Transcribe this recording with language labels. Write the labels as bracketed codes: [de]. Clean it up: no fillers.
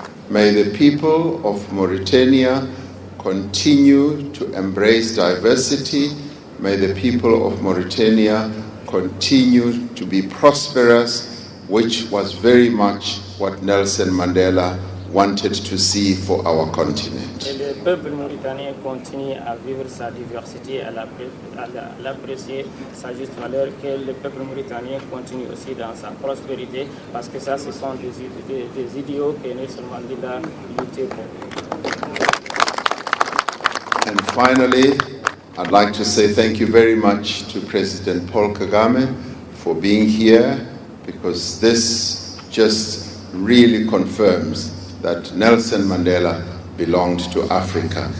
[en] May the people of Mauritania continue to embrace diversity. May the people of Mauritania continue to be prosperous, which was very much what Nelson Mandela wanted to see for our continent. [fr] Et le peuple mauritanien continue à vivre sa diversité, à l'apprécier sa juste valeur, que le peuple mauritanien continue aussi dans sa prospérité, parce que ça, ce sont des idéaux que Nelson Mandela luttait pour. [en] And finally, I'd like to say thank you very much to President Paul Kagame for being here, because this just really confirms that Nelson Mandela belonged to Africa.